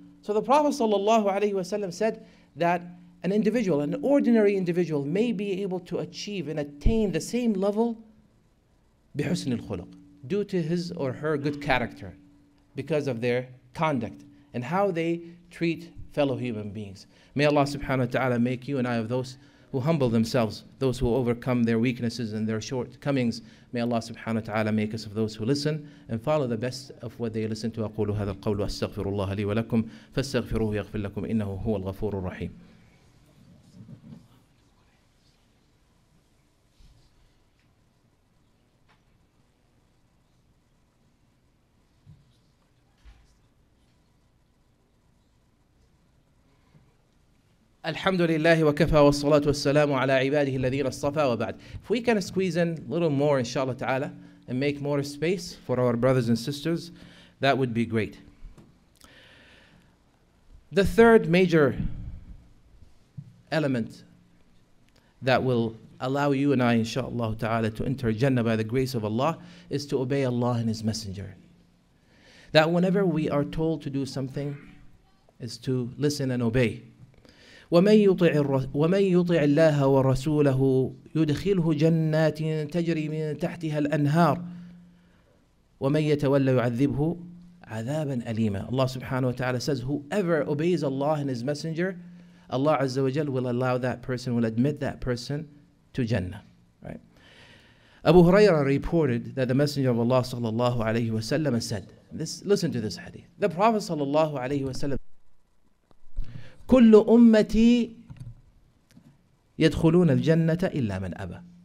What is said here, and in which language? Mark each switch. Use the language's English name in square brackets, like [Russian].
[English] So the Prophet sallallahu alayhi wa sallam said that an individual, an ordinary individual, may be able to achieve and attain the same level [Arabic] بحسن الخلق, [English] due to his or her good character, because of their conduct and how they treat fellow human beings. May Allah subhanahu wa ta'ala make you and I of those who humble themselves, those who overcome their weaknesses and their shortcomings. May Allah subhanahu wa ta'ala make us of those who listen and follow the best of what they listen to. [Arabic] أقول هذا القول وأستغفر الله لي ولكم فاستغفروه يغفر لكم إنه هو الغفور الرحيم. الحمد لله وكفى والصلاة والسلام على عباده الذين اصطفى وبعد. [English] If we can squeeze in a little more, inshallah ta'ala, and make more space for our brothers and sisters, that would be great. The third major element that will allow you and I, inshallah ta'ala, to enter Jannah by the grace of Allah is to obey Allah and His Messenger. That whenever we are told to do something is to listen and obey. [Arabic] وَمَنْ يُطِعِ اللَّهَ وَرَسُولَهُ يُدْخِلْهُ جَنَّاتٍ تَجْرِي مِنْ تَحْتِهَا الْأَنْهَارِ وَمَنْ يَتَوَلَّ يُعَذِّبْهُ عَذَابًا أَلِيمًا. [English] Allah subhanahu wa ta'ala says, whoever obeys Allah and His Messenger, Allah azza wa jal will allow that person, will admit that person to Jannah. Right? Abu Huraira reported that the Messenger of Allah sallallahu alayhi wa sallam said, listen to this hadith. The Prophet [Arabic] sallallahu alayhi wa sallam, كل أمتي يدخلون الجنة إلا من أبى.